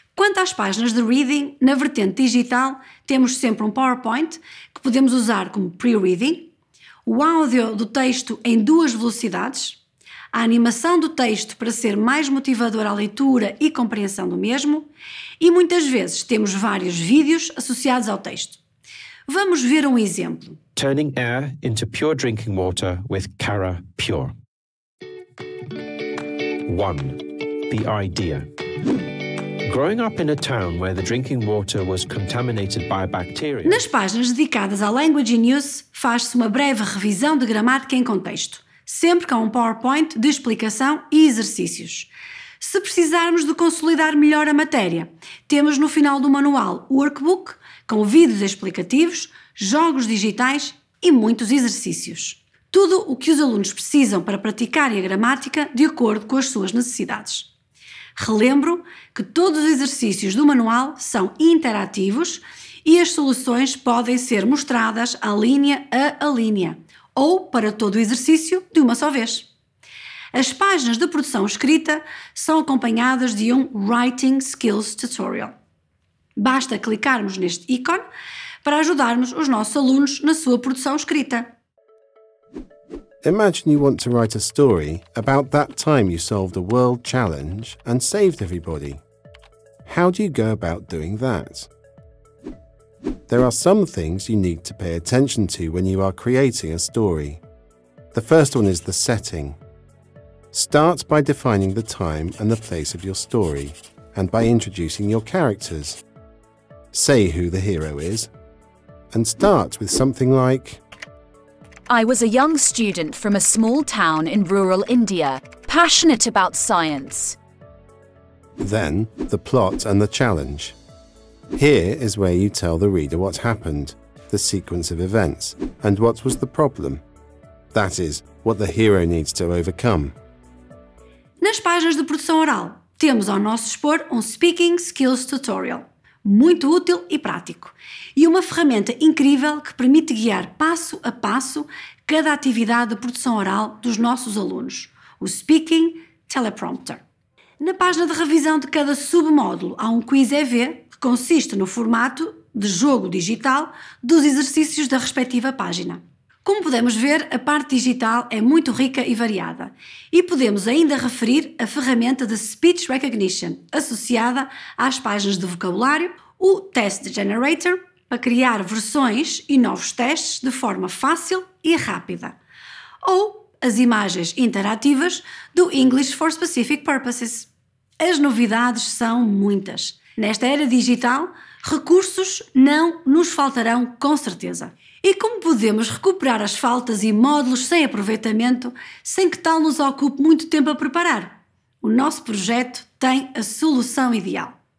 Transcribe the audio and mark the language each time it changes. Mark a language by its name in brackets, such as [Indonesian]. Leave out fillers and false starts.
[Portuguese] Quanto às páginas de reading, na vertente digital, temos sempre um PowerPoint, que podemos usar como pre-reading, o áudio do texto em duas velocidades, a animação do texto para ser mais motivadora à leitura e compreensão do mesmo, e muitas vezes temos vários vídeos associados ao texto. Vamos ver um exemplo. [English] Turning air into pure drinking water with Cara Pure. 1. The idea. Growing up in a town where the drinking water was contaminated by bacteria. [Portuguese] Nas páginas dedicadas à Language in Use, faz-se uma breve revisão de gramática em contexto, sempre com um PowerPoint de explicação e exercícios. Se precisarmos de consolidar melhor a matéria, temos no final do manual o workbook, com vídeos explicativos, jogos digitais e muitos exercícios. Tudo o que os alunos precisam para praticarem a gramática de acordo com as suas necessidades. Relembro que todos os exercícios do manual são interativos e as soluções podem ser mostradas alínea a linha, ou para todo o exercício de uma só vez. As páginas de produção escrita são acompanhadas de um Writing Skills Tutorial. Basta clicarmos neste ícone para ajudarmos os nossos alunos na sua produção escrita. [English] Imagine you want to write a story about that time you solved a world challenge and saved everybody. How do you go about doing that? There are some things you need to pay attention to when you are creating a story. The first one is the setting. Start by defining the time and the place of your story, and by introducing your characters. Say who the hero is, and start with something like, I was a young student from a small town in rural India, passionate about science. Then, the plot and the challenge. Here is where you tell the reader what happened, the sequence of events, and what was the problem. That is, what the hero needs to overcome. [Portuguese] Nas páginas de produção oral, temos ao nosso dispor um Speaking Skills Tutorial. Muito útil e prático. E uma ferramenta incrível que permite guiar passo a passo cada atividade de produção oral dos nossos alunos, o Speaking Teleprompter. Na página de revisão de cada submódulo há um Quiz EV, que consiste no formato de jogo digital dos exercícios da respectiva página. Como podemos ver, a parte digital é muito rica e variada. E podemos ainda referir a ferramenta de Speech Recognition, associada às páginas de vocabulário, o Test Generator, para criar versões e novos testes de forma fácil e rápida. Ou as imagens interativas do English for Specific Purposes. As novidades são muitas. Nesta era digital, recursos não nos faltarão, com certeza. E como podemos recuperar as faltas e módulos sem aproveitamento, sem que tal nos ocupe muito tempo a preparar? O nosso projeto tem a solução ideal.